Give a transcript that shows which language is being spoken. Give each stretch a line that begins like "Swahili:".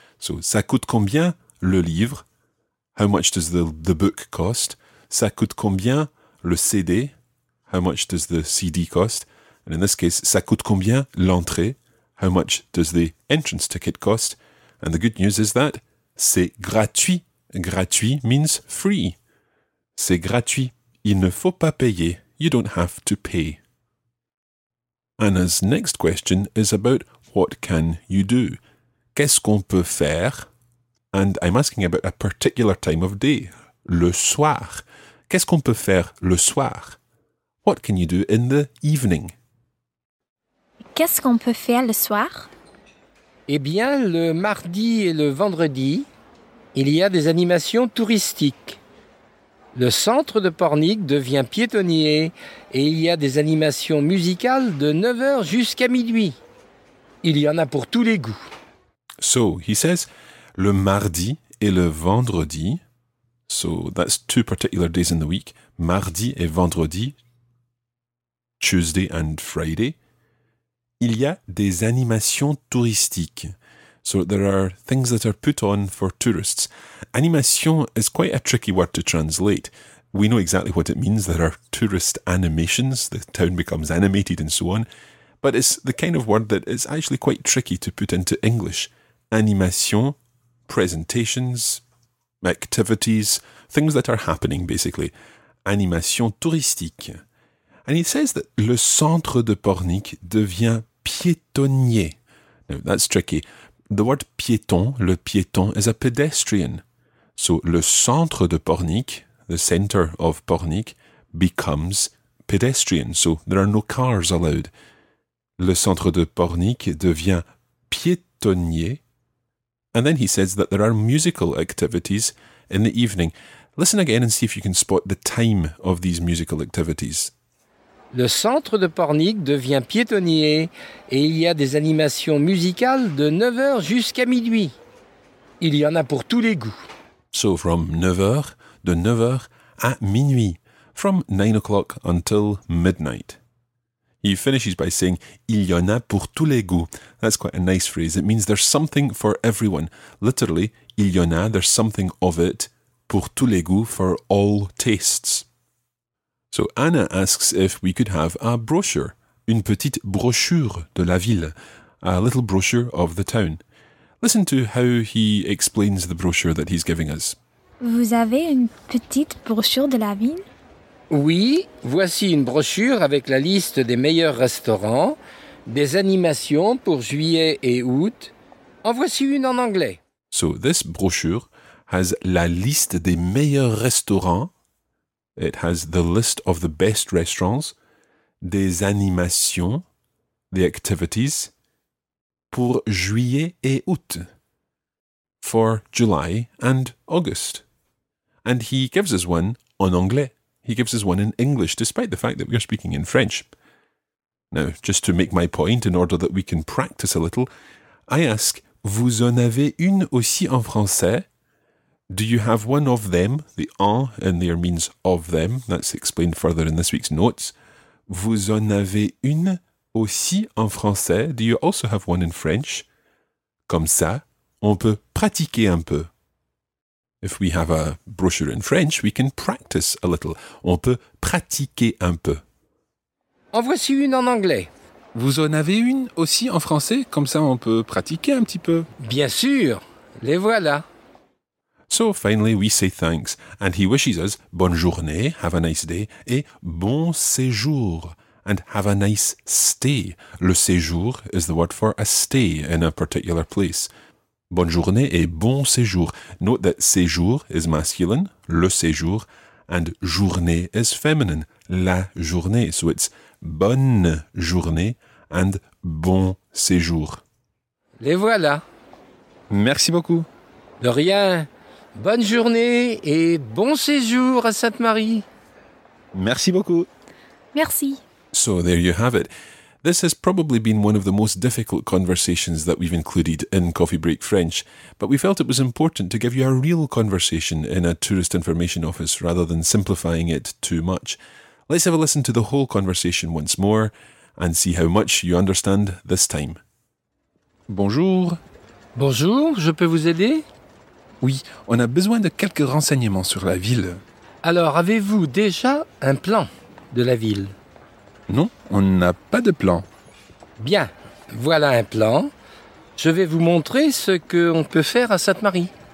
French: So, ça coûte combien le livre?
English: How much does the book cost?
French: Ça coûte combien le CD?
English: How much does the CD cost? And in this case,
French: ça coûte combien l'entrée?
English: How much does the entrance ticket cost? And the good news is that
French: c'est gratuit.
English: Gratuit means free.
French: C'est gratuit. Il ne faut pas payer.
English: You don't have to pay. Anna's next question is about what can you do?
French: Qu'est-ce qu'on peut faire?
English: And I'm asking about a particular time of day.
French: Le soir. Qu'est-ce qu'on peut faire le soir?
English: What can you do in the evening?
French: Qu'est-ce qu'on peut faire le soir? Eh bien, le mardi et le vendredi, il y a des animations touristiques. Le centre de Pornic devient piétonnier et il y a des animations musicales de 9h jusqu'à minuit. Il y en a pour tous les goûts.
English: So, he says,
French: le mardi et le vendredi,
English: so that's two particular days in the week,
French: mardi et vendredi,
English: Tuesday and Friday,
French: il y a des animations touristiques.
English: So there are things that are put on for tourists. Animation is quite a tricky word to translate. We know exactly what it means. There are tourist animations. The town becomes animated and so on. But it's the kind of word that is actually quite tricky to put into English. Animation, presentations, activities, things that are happening, basically.
French: Animation touristique.
English: And he says that
French: le centre de Pornic devient piétonnier.
English: Now, that's tricky. The word piéton, le piéton, is a pedestrian. So,
French: le centre de Pornic,
English: the centre of Pornic, becomes pedestrian. So, there are no cars allowed.
French: Le centre de Pornic devient piétonnier.
English: And then he says that there are musical activities in the evening. Listen again and see if you can spot the time of these musical activities.
French: Le centre de Pornic devient piétonnier et il y a des animations musicales de 9h jusqu'à minuit. Il y en a pour tous les goûts.
English: So from 9h,
French: de 9h à minuit.
English: From 9 o'clock until midnight. He finishes by saying,
French: il y en a pour tous les goûts.
English: That's quite a nice phrase. It means there's something for everyone. Literally,
French: il y en a,
English: there's something of it,
French: pour tous les goûts,
English: for all tastes. So Anna asks if we could have a brochure,
French: une petite brochure de la ville,
English: a little brochure of the town. Listen to how he explains the brochure that he's giving us.
French: Vous avez une petite brochure de la ville? Oui, voici une brochure avec la liste des meilleurs restaurants, des animations pour juillet et août. En voici une en anglais.
English: So this brochure has
French: la liste des meilleurs restaurants.
English: It has the list of the best restaurants,
French: des animations,
English: the activities,
French: pour juillet et août,
English: for July and August. And he gives us one
French: en anglais.
English: He gives us one in English, despite the fact that we are speaking in French. Now, just to make my point, in order that we can practice a little, I ask,
French: vous en avez une aussi en français?
English: Do you have one of them? The en in there means of them. That's explained further in this week's notes.
French: Vous en avez une aussi en français?
English: Do you also have one in French?
French: Comme ça, on peut pratiquer un peu.
English: If we have a brochure in French, we can practice a little.
French: On peut pratiquer un peu. En voici une en anglais. Vous en avez une aussi en français? Comme ça, on peut pratiquer un petit peu. Bien sûr, les voilà.
English: So finally, we say thanks, and he wishes us
French: bonne journée,
English: have a nice day,
French: et bon séjour,
English: and have a nice stay. Le séjour is the word for a stay in a particular place.
French: Bonne journée et bon séjour.
English: Note that séjour is masculine, le séjour, and journée is feminine, la journée. So it's
French: bonne journée
English: and
French: bon séjour. Les voilà. Merci beaucoup. De rien. Bonne journée et bon séjour à Sainte-Marie. Merci beaucoup. Merci.
English: So there you have it. This has probably been one of the most difficult conversations that we've included in Coffee Break French, but we felt it was important to give you a real conversation in a tourist information office rather than simplifying it too much. Let's have a listen to the whole conversation once more and see how much you understand this time.
French: Bonjour. Bonjour, je peux vous aider? Oui, on a besoin de quelques renseignements sur la ville. Alors, avez-vous déjà un plan de la ville? Non, on n'a pas de plan. Bien, voilà un plan. Je vais vous montrer ce qu'on peut faire à Sainte-Marie.